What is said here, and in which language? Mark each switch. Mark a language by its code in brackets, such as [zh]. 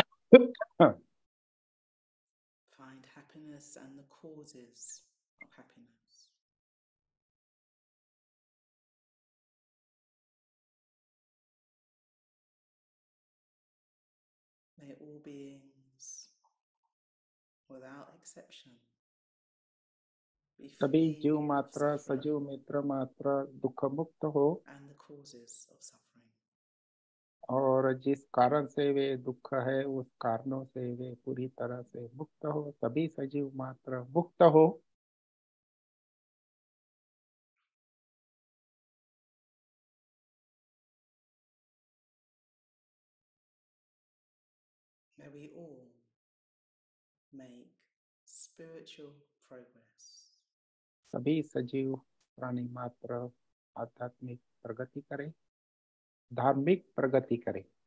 [en] Find happiness and the causes of happiness. May all beings, without exception, be free. [hi] सभी जीव मात्र सजीव मित्र मात्र दुख मुक्त हो [en] and the causes of suffering. [hi] और जिस कारण से वे दुख है उस कारणों से वे पूरी तरह से मुक्त हो सभी सजीव मात्र मुक्त हो [en] We all make spiritual progress. [hi] सभी सजीव प्राणी मात्र आध्यात्मिक प्रगति करें, धार्मिक प्रगति करें।